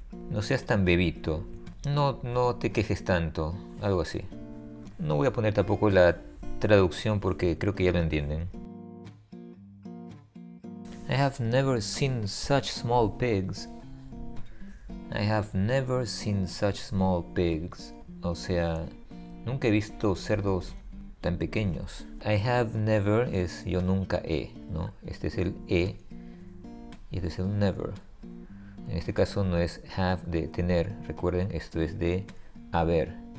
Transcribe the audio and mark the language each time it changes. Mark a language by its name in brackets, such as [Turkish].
[Spanish] No seas tan bebito. No te quejes tanto. Algo así. No voy a poner tampoco la traducción porque creo que ya lo entienden. [English] I have never seen such small pigs. I have never seen such small pigs. [Spanish] O sea, nunca he visto cerdos tan pequeños. [English] I have never [Spanish] es yo nunca he, ¿no? Este es el he y este es el never. En este caso no es have de tener, recuerden, esto es de haber.